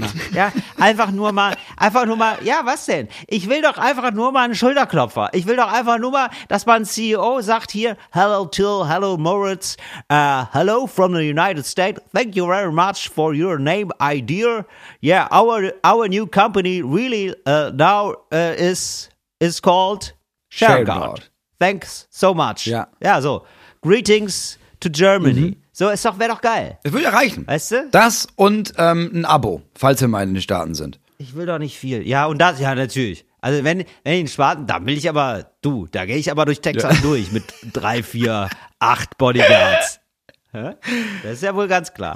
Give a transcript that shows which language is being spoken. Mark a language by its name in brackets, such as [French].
[German] Ja, einfach nur mal, ja, was denn? Ich will doch einfach nur mal einen Schulterklopfer. Ich will doch einfach nur mal, dass mein CEO sagt hier, [English] hello Till, hello Moritz, hello from the United States. Thank you very much for your name, idea. Yeah, our new company really now is called ShareGuard. Thanks so much. [German] Ja. [English] Ja, so, greetings to Germany. [German] Mhm. So, es wäre doch geil. Das würde ja reichen. Weißt du? Das und ein Abo, falls wir mal in den Staaten sind. Ich will doch nicht viel. Ja, und das, ja, natürlich. Also, wenn ich in den Staaten, da will ich aber, du, da gehe ich aber durch Texas durch mit 3, 4, 8 Bodyguards. Das ist ja wohl ganz klar.